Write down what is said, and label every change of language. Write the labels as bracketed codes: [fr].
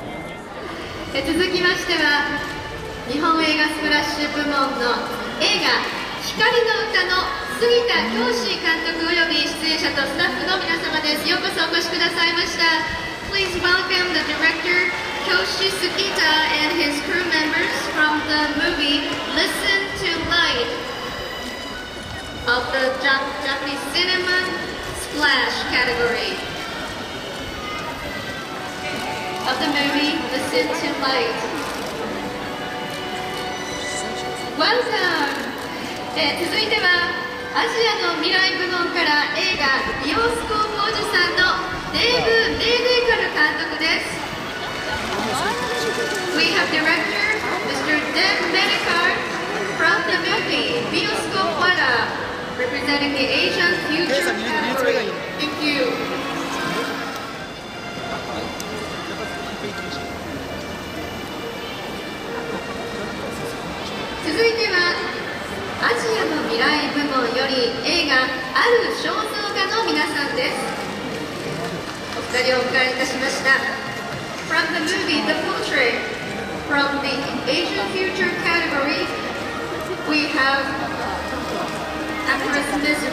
[ja] 続きましては日本映画スプラッシュ部門の映画「光の歌」の杉田恭司監督及び出演者とスタッフの皆様です。ようこそお越しくださいました。 [en] Please welcome the director Kyoshi Sugita and his crew members from the movie Listen to Light of the Japanese Cinema Splash category of the movie Listen to Light. Welcome! [ja] 続いてはアジアの未来部門から映画「ビオスコープおじさん」のデーブ・メーデーカル監督です。 [en] We have director Mr. Deb Medekar from the movie Bioscope Wada representing the Asian Future Category. Thank you. [ja] アジアの未来部門より映画「ある肖像画」の皆さんです。お二人をお迎えいたしました。 [en] From the movie The Portrait from the Asian Future Category we have actress Ms.